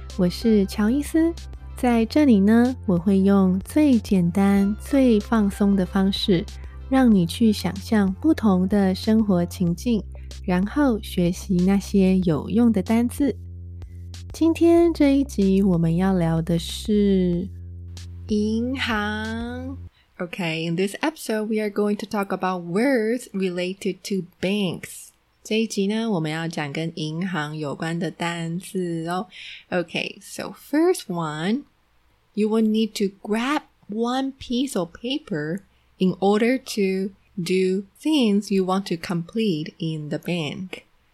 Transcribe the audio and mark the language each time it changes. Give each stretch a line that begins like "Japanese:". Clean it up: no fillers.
Chinese: 我是乔伊斯，在这里呢，我会用最简单、最放松的方式，让你去想象不同的生活情境，然后学习那些有用的单字。今天这一集我们要聊的是银行。
English: Okay, in this episode, we are going to talk about words related to banks.
Chinese: 这一集呢，我们要讲跟银行有关的单字哦。
English: Okay, so first one, you will need to grab one piece of paper in order to do things you want to complete in the bank.